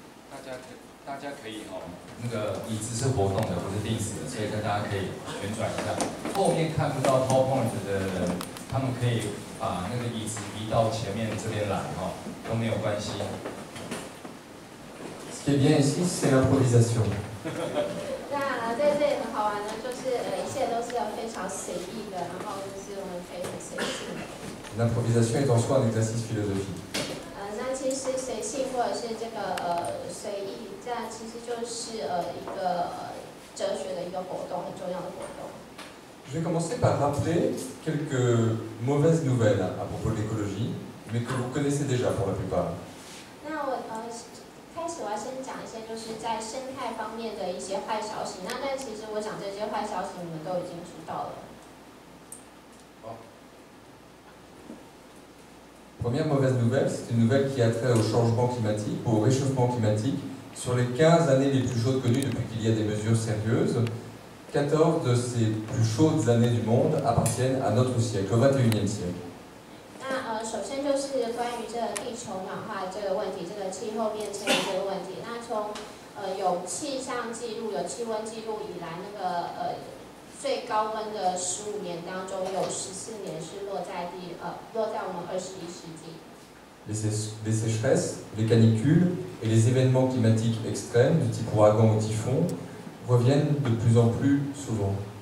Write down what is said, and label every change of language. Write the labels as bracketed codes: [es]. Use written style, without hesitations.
[zh] 大家可以那个椅子是活动的，不是定死的，所以大家可以旋转一下。后面看不到 PowerPoint 的人，他们可以把那个椅子移到前面这边来哈，都没有关系。 [fr] Ce qui est bien ici, c'est l'improvisation. [zh] 那在这里很好玩的，就是一切都是非常随意的，然后就是我们可以很随性。 [fr] L'improvisation est en soi un exercice philosophique. [zh] 其实随性或者是这个随意，这样其实就是一个哲学的一个活动，很重要的活动。 [fr] Je vais commencer par rappeler quelques mauvaises nouvelles à propos de l'écologie, mais que vous connaissez déjà pour la plupart. [zh] 那我开始我要先讲一些就是在生态方面的一些坏消息。那但其实我讲这些坏消息，你们都已经知道了。 [fr] Première mauvaise nouvelle, c'est une nouvelle qui a trait au changement climatique, au réchauffement climatique. Sur les 15 années les plus chaudes connues depuis qu'il y a des mesures sérieuses, 14 de ces plus chaudes années du monde appartiennent à notre siècle, au 21e siècle. [zh] 首先就是关于这个地球暖化这个问题，这个气候变迁这个问题。那从有气象记录、有气温记录以来，那个最高温的十五年当中，有十四年是落在我们二十一世纪。 [fr] Les sécheresses, les canicules et les événements climatiques extrêmes du type ouragan ou typhon reviennent de plus en plus souvent.